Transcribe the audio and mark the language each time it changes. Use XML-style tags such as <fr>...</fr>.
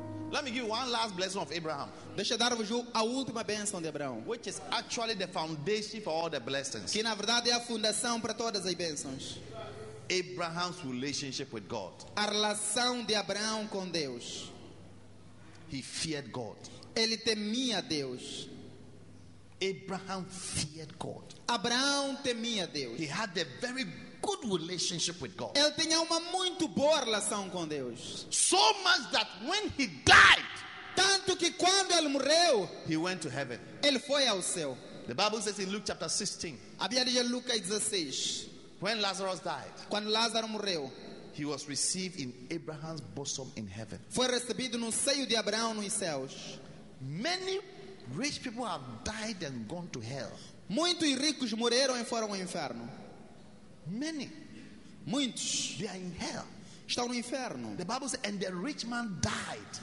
<en>Let me give you one last blessing of Abraham.</en> <pt>Deixa eu dar-vos a última bênção de Abraão.</pt> <en>Which is actually the foundation for all the blessings.</en> <pt>Que na verdade é a fundação para todas as bênçãos.</pt> <en>Abraham's relationship with God.</en> <pt>A relação de Abraão com Deus.</pt> <en>He feared God.</en> <pt>Ele temia Deus.</pt> <en>Abraham feared God.</en> <pt>Abraão temia Deus.</pt> <en>He had a very good relationship with God.</en> <pt>Ele tinha uma muito boa relação com Deus.</pt> <en>So much that when he died,</en> <pt>tanto que quando ele morreu,</pt> <en>he went to heaven.</en> <pt>Ele foi ao céu.</pt> <en>The Bible says in Luke chapter 16.</en> <pt>A Bíblia diz em Lucas 16.</pt> <en>When Lazarus died,</en> <pt>quando Lázaro morreu,</pt> <en>he was received in Abraham's bosom in heaven.</en> <pt>Foi recebido no seio de Abraão nos céus.</pt> <en>Many rich people have died and gone to hell.</en> <pt>Muitos ricos morreram e foram ao inferno.</pt> <en>Many,</en> <pt>muitos,</pt> <en>they are in hell.</en> <pt>Estão no inferno.</pt> <en>The Bible says, and the rich man died.</en>